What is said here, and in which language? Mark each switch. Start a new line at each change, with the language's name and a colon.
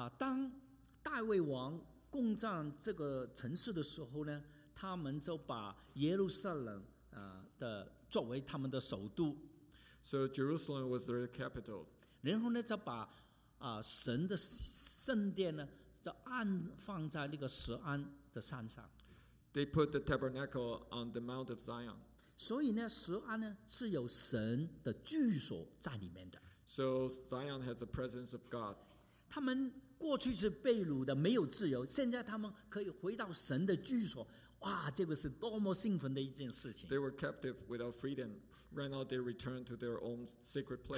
Chinese: 当大卫王攻占这个城市的时候呢？他们就把耶路撒冷的作为他们的首都。
English: So Jerusalem was their capital.
Chinese: 然后呢，就把神的圣殿呢，就安放在那个锡安的山上。
English: They put the tabernacle on the Mount of Zion.
Chinese: 所以呢，锡安呢是有神的居所在里面的。
English: So Zion has the presence of God.
Chinese: 他们过去是被掳的，没有自由，现在他们可以回到神的居所。哇，这个是多么兴奋的一件事情
English: ！They were captive without freedom. Right now, they return to their own sacred place.